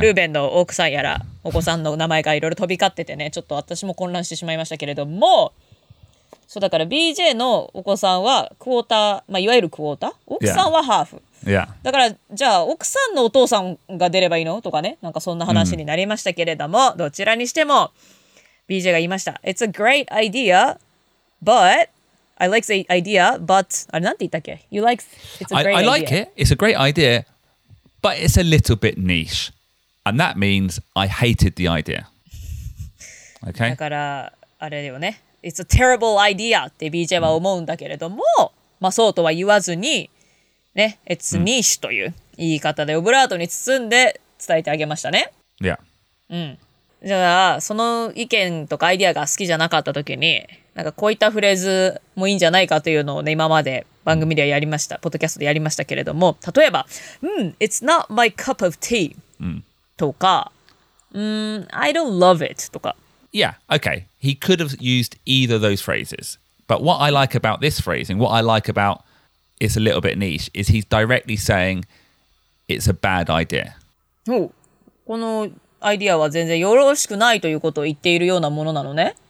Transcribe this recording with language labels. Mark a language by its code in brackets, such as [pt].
[ja] ルーベンの奥さんやらお子さんの名前がいろいろ飛び交っててね、ちょっと私も混乱してしまいましたけれども、そうだから BJ のお子さんはクォーター、まあ、いわゆるクォーター、奥さんはハーフ、 [en] yeah. [ja] だからじゃあ奥さんのお父さんが出ればいいのとかね、なんかそんな話になりましたけれども、mm. どちらにしても BJ が言いました、 [en] It's a great idea butI like the idea, but... [ja] あれ、なんて言ったっけ? [en] You like... It's a great idea. I like it. It's a great idea, but it's a little bit niche. And that means I hated the idea. Okay? [ja] だから、あれだよね。 [en] It's a terrible idea [ja] って BJ は思うんだけれども、mm. まあそうとは言わずに、ね、 [en] It's niche [ja] という言い方でオブラートに包んで伝えてあげましたね。 [en] Yeah. [ja] うん。じゃあ、その意見とかアイデアが好きじゃなかった時に、なんかこういったフレーズもいいんじゃないかというのをね、今まで番組ではやりました、ポッドキャストでやりましたけれども、例えば、うん、 [en] It's not my cup of tea、 [ja] うん、とか、うん、 [en] I don't love it [ja] とか、 [en] Yeah, okay, he could have used either of those phrases, but what I like about this phrase and what I like about it's a little bit niche is he's directly saying it's a bad idea. [ja] おう、このアイディアは全然よろしくないということを言っているようなものなのね。